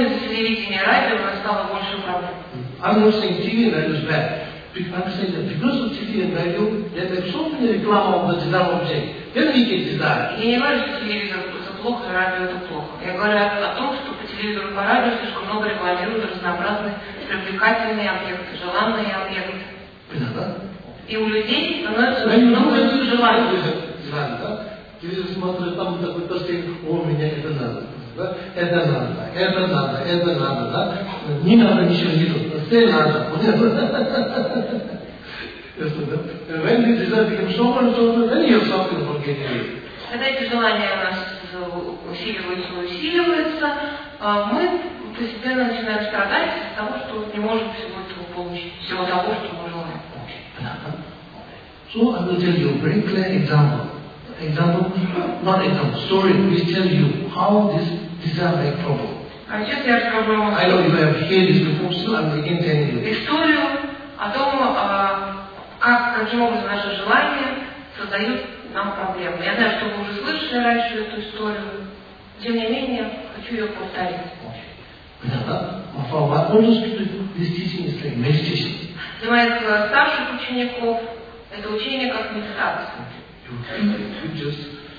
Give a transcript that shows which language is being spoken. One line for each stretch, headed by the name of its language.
Russian: Из-за телевидения и радио стало больше проблем?
English: I'm not saying TV and radio is bad. I'm saying that because of TV and radio, they have so many reclam of the desired object. Then we get desired.
Russian: Я не говорю, что телевизор это плохо, радио это плохо. Я говорю о том, что по телевизору и по радио слишком много рекламируют разнообразные привлекательные объекты, желанные объекты. И у людей становится много желаний. Телевизор смотрит, там такой постель, о, меня это надо, да? Это надо, это надо, это надо, да? Не надо ничего, не надо, все надо, понятно? Если ты знаешь, что он должен, то не ее сапки на паркете. Когда эти желания у нас усиливаются, усиливаются, мы постепенно начинаем страдать из-за того, что не можем всего этого получить, всего того, что мы желаем.
English: So I will tell you a very clear example. Story, please tell you how this desire make problem. I know you have heard this before, so I'm again telling you.
Russian: Историю о том, каким образом наши желания создают нам проблемы. Я знаю, что вы уже слышали раньше эту историю. Тем не менее, хочу ее повторить. Для моих старших учеников это учение как медитация.